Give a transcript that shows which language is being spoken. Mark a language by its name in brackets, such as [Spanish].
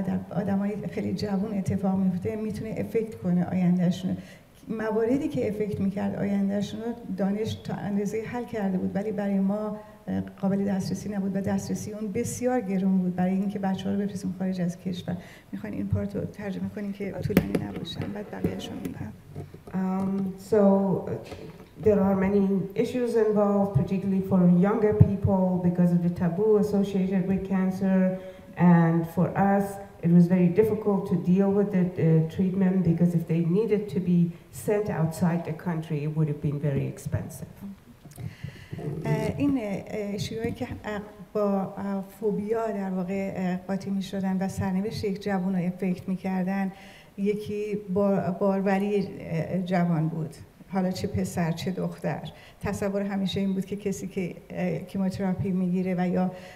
[Persian] آدم های خیلی جوان اتفاق میفته میتونه افکت کنه آیندهشون مواردی که افکت میکرد آیندهشون رو دانش تا اندازه حل کرده بود ولی برای ما قابل دسترسی نبود و دسترسی اون بسیار گران بود برای اینکه بچه‌ها رو بفرستیم خارج از کشور می‌خواین این پارت رو ترجمه کنین که طولانی نباشه بعد بقیه‌اش رو می‌گم [English] so there are many issues involved particularly for younger people because of the taboo associated with cancer and for us it was very difficult to deal with the treatment because if they needed to be sent outside the country it would have been very expensive [Persian] این شیوهایی که با فوبیا در واقع قاطی می شدن و سرنوشت یک جوان رو افکت می کردن یکی باروری جوان بود حالا چه پسر چه دختر تصور همیشه این بود که کسی که کیموتراپی می گیره و یا